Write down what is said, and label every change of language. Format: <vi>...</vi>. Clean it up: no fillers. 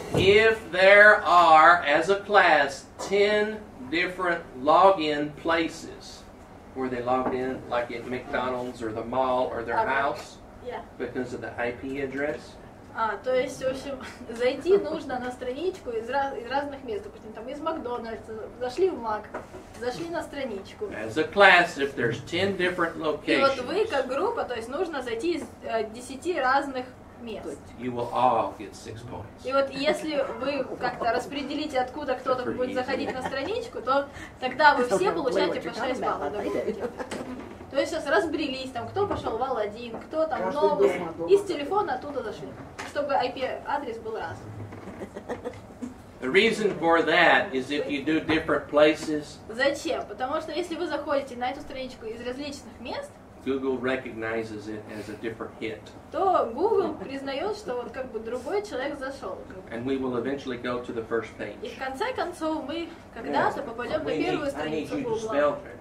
<en>If there are, as a class, 10 different login places where they logged in, like at McDonald's or the mall or their house, yeah. Because of the IP address.</en> <ru>То есть, в общем, зайти нужно на страничку из разных мест. Допустим, там из Макдональдса, зашли в Мак, зашли на страничку.</ru> <en>As a class, if there's 10 different locations.</en> <ru>И вот вы, как группа, то есть нужно зайти из 10 разных мест.</ru> <en>You will all get 6 points.</en> <ru>И вот если вы как-то распределите, откуда кто-то будет заходить на страничку, то тогда вы все получаете по 6 баллов. То есть сейчас разбрелись, там кто пошел в Аладдин, кто там новый, и с телефона оттуда зашли, чтобы IP-адрес был разный.</ru> <en>The reason for that is if you do different places.</en> <ru>Зачем? Потому что если вы заходите на эту страничку из различных мест,</ru> <en>Google recognizes it as a different hit.</en> <ru>То Google признает, что вот как бы другой человек зашел.</ru> <en>And we will eventually go to the first page.</en> <ru>И в конце концов мы когда-то попадем на первую страницу Google.</ru>